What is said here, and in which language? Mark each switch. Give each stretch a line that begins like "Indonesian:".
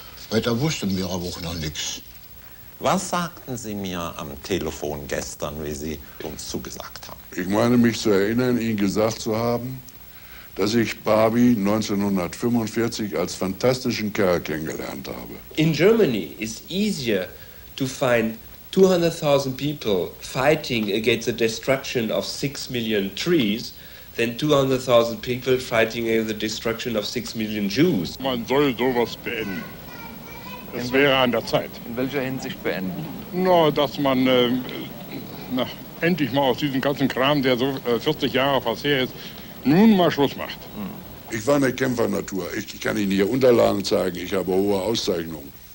German: Weil da wussten wir aber auch noch nichts. Was sagten Sie mir am Telefon gestern, wie Sie uns zugesagt haben? Ich meine mich zu erinnern, Ihnen gesagt zu haben, dass ich Barbie 1945 als fantastischen Kerl kennengelernt habe.
English: In Germany is easier to find 200,000 people fighting against the destruction of 6 million trees than 200,000 people fighting against the destruction of 6 million Jews.
German: Man soll sowas beenden. Es wäre an der Zeit. In welcher Hinsicht beenden? Na, dass man endlich mal aus diesem ganzen Kram, der so 40 Jahre fast her ist, nun mal Schluss macht. Ich war eine Kämpfernatur. Ich kann Ihnen hier Unterlagen zeigen. Ich habe hohe Auszeichnungen.